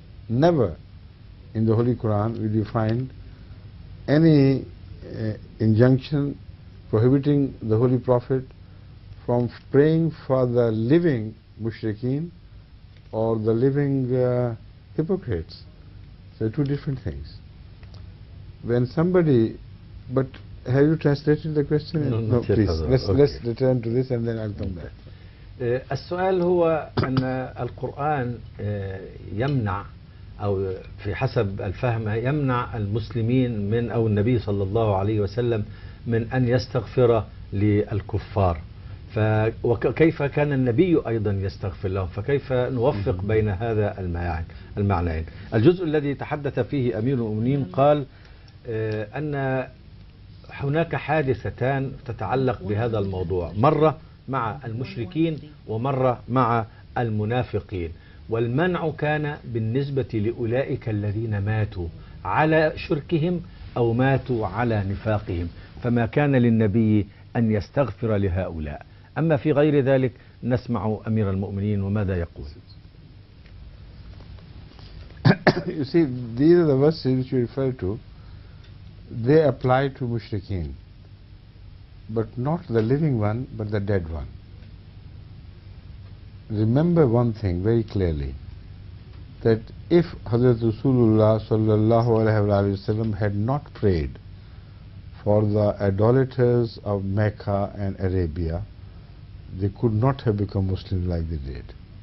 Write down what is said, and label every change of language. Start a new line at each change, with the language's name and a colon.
English: Never in the Holy Quran will you find any injunction prohibiting the Holy Prophet from praying for the living mushrikeen or the living hypocrites. So two different things. When somebody, but have you translated the question? No, please. Let's return to this and then I'll come back.
Arabic: السؤال هو أن القرآن يمنع أو في حسب الفهم يمنع المسلمين من أو النبي صلى الله عليه وسلم من أن يستغفر للكفار. وكيف كان النبي أيضا يستغفر لهم؟ فكيف نوفق بين هذا المعنيين؟ الجزء الذي تحدث فيه أمير المؤمنين قال أن هناك حادثتان تتعلق بهذا الموضوع، مرة مع المشركين ومرة مع المنافقين، والمنع كان بالنسبة لأولئك الذين ماتوا على شركهم أو ماتوا على نفاقهم، فما كان للنبي أن يستغفر لهؤلاء. أما في غير ذلك نسمع أمير المؤمنين وماذا يقول.
English: You see, these are the verses which you refer to. They apply to mushrikeen, but not the living one, but the dead one. Remember one thing very clearly, that if Hazrat Rasulullah sallallahu alaihi wasallam had not prayed for the idolaters of Mecca and Arabia, they could not have become Muslims like they did.